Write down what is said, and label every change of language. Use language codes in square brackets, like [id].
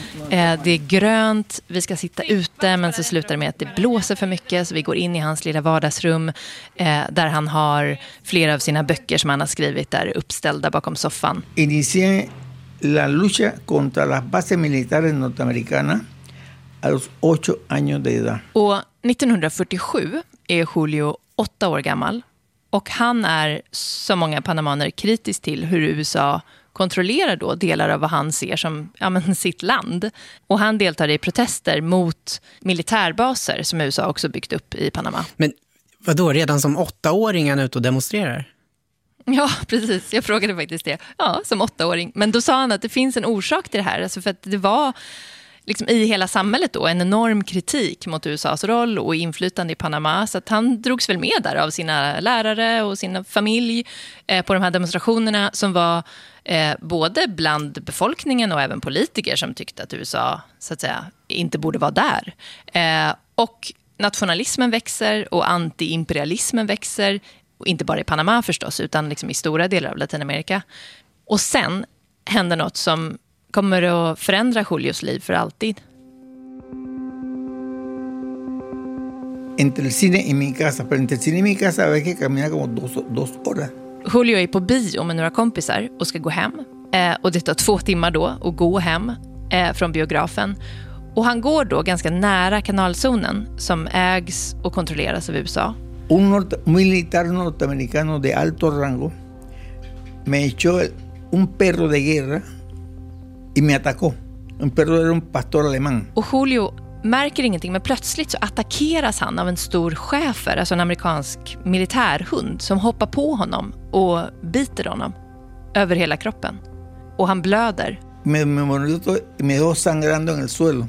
[sv] Det är grönt, vi ska sitta ute, men så slutar det med att det blåser för mycket. Så vi går in i hans lilla vardagsrum där han har flera av sina böcker som han har skrivit där uppställda bakom soffan. [es] Inicié la lucha contra las bases militares norteamericanas a los 8 años de edad. [sv] Och 1947 är Julio 8 år gammal, och han är, som många panamaner, kritisk till hur USA kontrollerar då delar av vad han ser som sitt land. Och han deltar i protester mot militärbaser som USA också byggt upp i Panama. Men vadå, redan som 8-åringen ut och demonstrerar? Ja, precis. Jag frågade faktiskt det. Ja, som 8-åring. Men då sa han att det finns en orsak till det här. Alltså för att det var liksom i hela samhället då en enorm kritik mot USAs roll och inflytande i Panama. Så att han drogs väl med där av sina lärare och sina familj på de här demonstrationerna som var både bland befolkningen och även politiker som tyckte att USA, så att säga, inte borde vara där. Och nationalismen växer och antiimperialismen växer. Och inte bara i Panama förstås, utan liksom i stora delar av Latinamerika. Och sen händer något som kommer att förändra Julios liv för alltid. [es] Entre el cine y mi casa, pero entre el cine y mi casa hay que caminar como dos horas. [sv] Julio är på bio med några kompisar och ska gå hem. Och det tar 2 timmar då att gå hem från biografen. Och han går då ganska nära kanalzonen som ägs och kontrolleras av USA. [es] Un militar norteamericano de alto rango me echó un perro de guerra y me atacó. Un perro era un pastor alemán. [sv] Och Julio märker ingenting, men plötsligt så attackeras han av en stor schäfer, alltså en amerikansk militärhund som hoppar på honom och biter honom över hela kroppen. Och han blöder. [es] Me dejó sangrando en el suelo.